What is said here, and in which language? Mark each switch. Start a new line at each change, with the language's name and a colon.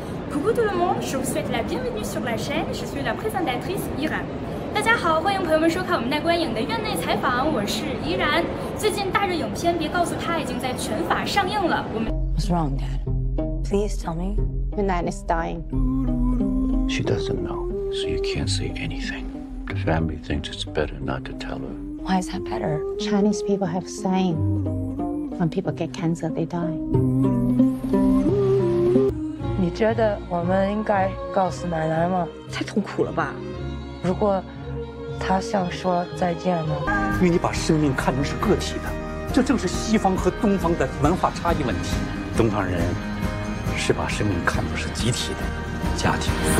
French: Coucou tout le monde, je vous souhaite la bienvenue sur la chaîne. Je suis la présentatrice Iran.
Chinese: 大家好，欢迎朋友们收看我们奈观影的院内采访，我是依然。最近大热影片《别告诉她》已经在全法上映了。我们
English: What's wrong, Dad? Please tell me. Manette is dying. She doesn't know, so you can't say anything. The family thinks it's better not to tell her. Why is that better? Chinese people have saying, when people get cancer, they die.
Chinese: 你觉得我们应该告诉奶奶吗？太痛苦了吧！如果她想说再见呢？因为你把生命看成是个体的，这正是西方和东方的文化差异问题。东方人是把生命看成是集体的，家庭。